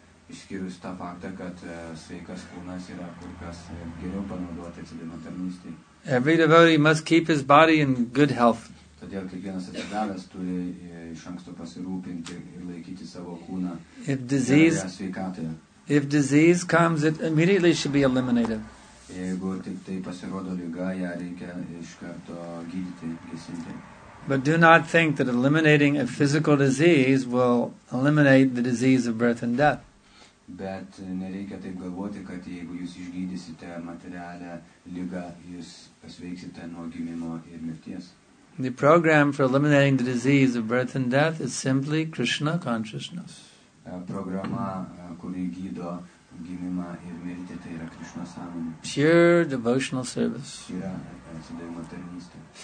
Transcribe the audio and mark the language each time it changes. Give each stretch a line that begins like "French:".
Lithuanian: Išskyrus tą faktą, kad sveikas kūnas yra kur kas geriau panaudoti atsidavimo tarnystei.
English: Every devotee must keep his body in good health.
Lithuanian: Todėl kiekvienas atsidavęs turi iš anksto pasirūpinti ir laikyti savo kūną gerą sveikatą.
English: If disease comes, it immediately should be eliminated.
Lithuanian: Jeigu tik tai pasirodo lyga, ją reikia iš karto gydyti, gesinti.
English: But do not think that eliminating a physical disease will eliminate the disease of birth and death.
Lithuanian: Bet nereikia taip galvoti, kad jeigu jūs išgydysite materialią ligą, jūs pasveiksite nuo gimimo ir mirties.
English: The program for eliminating the disease of birth and death is simply Krishna consciousness.
Lithuanian: Programa, kuri gydo gimimą ir mirtį, tai yra Krishna sąmonė.
English: Pure devotional service.
Lithuanian: Yra atsidavimo tarnystė.